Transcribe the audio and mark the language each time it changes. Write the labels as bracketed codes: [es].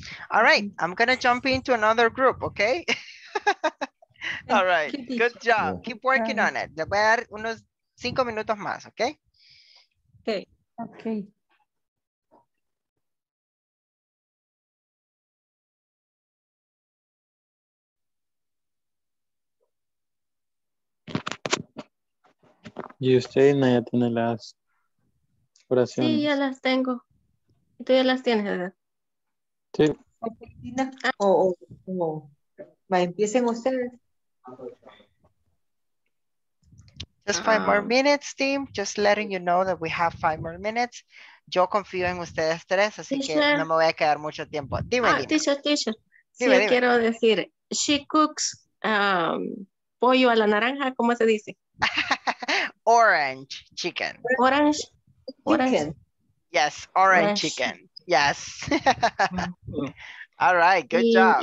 [en] All right, I'm going to jump into another group, okay? All right, good job. Keep working on it. [es] Le voy a dar unos 5 minutos más, okay? [en] Okay. [es] Y usted, Naya, tiene las oraciones. Sí, ya las tengo. ¿Tú ya las tienes, verdad? Sí. ¿O empiecen ustedes? [en] Just 5 more minutes, team. Just letting you know that we have 5 more minutes. [es] Yo confío en ustedes tres, así que no me voy a quedar mucho tiempo. Dime, Nina. [en] Teacher. [es] Sí, yo quiero decir, [en] she cooks [es] pollo a la naranja, ¿cómo se dice? [en] Orange chicken. All right, good job.